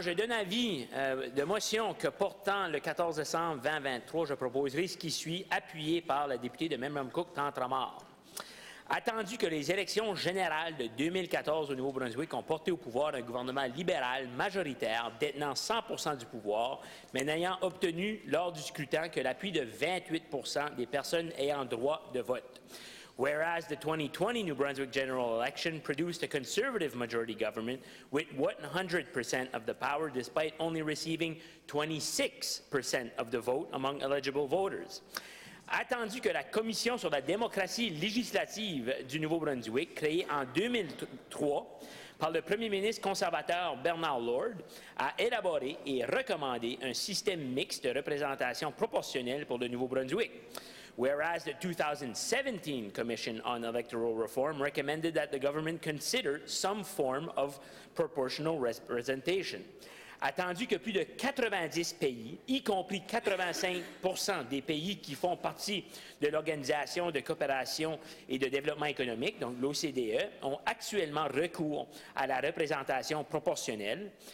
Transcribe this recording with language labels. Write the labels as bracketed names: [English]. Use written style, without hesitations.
[French] Je donne avis de motion que portant le 14 décembre 2023, je proposerai ce qui suit, appuyé par la députée de Memramcook, Tantramard. Attendu que les élections générales de 2014 au Nouveau-Brunswick ont porté au pouvoir un gouvernement libéral majoritaire détenant 100 % du pouvoir, mais n'ayant obtenu lors du scrutin que l'appui de 28 % des personnes ayant droit de vote. [English] Whereas the 2020 New Brunswick general election produced a conservative majority government with 100% of the power despite only receiving 26% of the vote among eligible voters. [French] Attendu que la Commission sur la démocratie législative du Nouveau-Brunswick, créée en 2003 par le premier ministre conservateur Bernard Lord, a élaboré et recommandé un système mixte de représentation proportionnelle pour le Nouveau-Brunswick. [English] Whereas the 2017 Commission on Electoral Reform recommended that the government consider some form of proportional representation. [French] Attendu que plus de 90 pays, y compris 85 % des pays qui font partie de l'Organisation de coopération et de développement économique, donc l'OCDE, ont actuellement recours à la représentation proportionnelle.